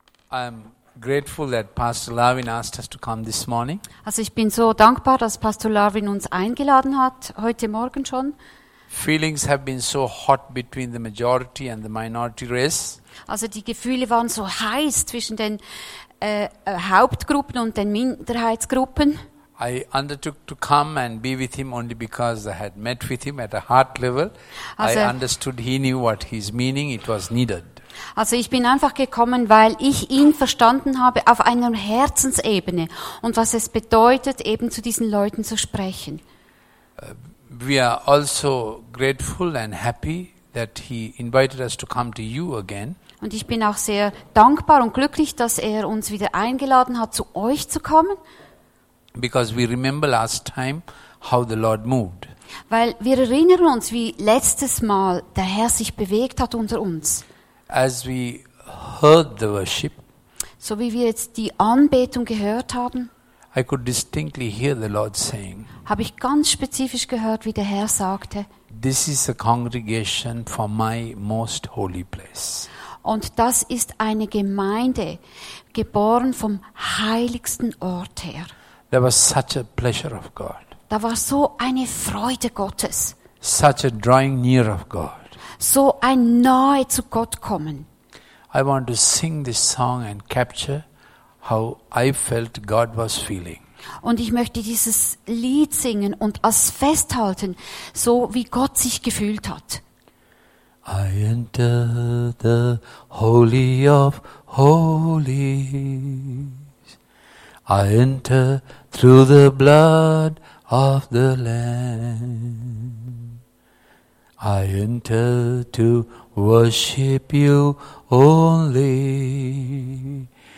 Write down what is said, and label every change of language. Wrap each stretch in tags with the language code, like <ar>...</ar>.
<en>I'm grateful that Pastor Lavin asked us to come this morning.</en> <de>Also ich bin so dankbar, dass Pastor Lavin uns eingeladen hat heute Morgen schon.</de> <en>Feelings have been so hot between the majority and the minority race.</en> <de>Also die Gefühle waren so heiß zwischen den Hauptgruppen und den Minderheitsgruppen.</de> <en>I undertook to come and be with him only because I had met with him at a heart level. Also I understood he knew what he's meaning. It was needed.</en> <de>Also ich bin einfach gekommen, weil ich ihn verstanden habe auf einer Herzensebene und was es bedeutet, eben zu diesen Leuten zu sprechen.</de> <en>We are also grateful and happy that he invited us to come to you again.</en> <de>Und ich bin auch sehr dankbar und glücklich, dass er uns wieder eingeladen hat, zu euch zu kommen.</de> <en>Because we remember last time how the Lord moved.</en> <de>Weil wir erinnern uns, wie letztes Mal der Herr sich bewegt hat unter uns.</de> <en>As we heard the worship,</en> <de>so wie wir jetzt die Anbetung gehört haben,</de> <en>I could distinctly hear the Lord saying,</en> <de>habe ich ganz spezifisch gehört, wie der Herr sagte,</de> <en>this is a congregation for my most holy place.</en> <de>Und das ist eine Gemeinde, geboren vom heiligsten Ort her.</de> <en>There was such a pleasure of God.</en> <de>Da war so eine Freude Gottes.</de> <en>Such a drawing near of God.</en> <de>So ein Nahe zu Gott kommen.</de> <en>I want to sing this song and capture how I felt God was feeling.</en> <de>Und ich möchte dieses Lied singen und es festhalten, so wie Gott sich gefühlt hat.</de> <en>I enter the Holy of Holies. I enter through the blood of the Lamb. I enter to worship you only.</en>